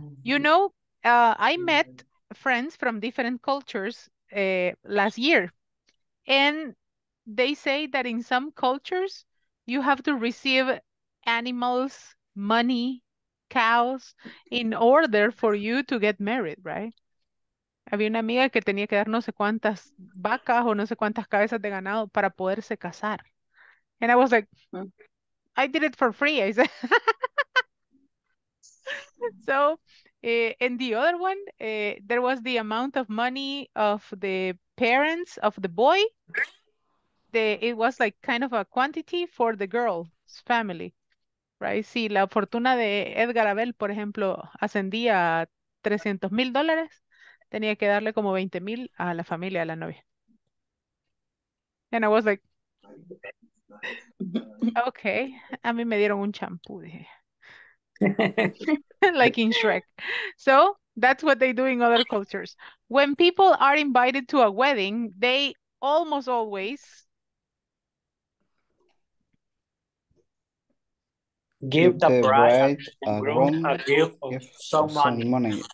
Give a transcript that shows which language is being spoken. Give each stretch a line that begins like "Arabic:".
English: You know, I met friends from different cultures last year. And they say that in some cultures, you have to receive animals, money, cows in order for you to get married, right?
Spanish: Había una amiga que tenía que dar no sé cuántas vacas o no sé cuántas cabezas de ganado para poderse casar.
English: And I was like, I did it for free, I said. So, and the other one, there was the amount of money of the parents of the boy. It was like kind of a quantity for the girl's family. Right.
Spanish: Si la fortuna de Edgar Abel, por ejemplo, ascendía a $300,000, tenía que darle como 20,000 a la familia, a la novia.
English: And I was like,
Spanish: Okay, a mí me dieron un champú, dije.
English: Like in Shrek. So that's what they do in other cultures. When people are invited to a wedding, they almost always give the bride and groom a gift of some money.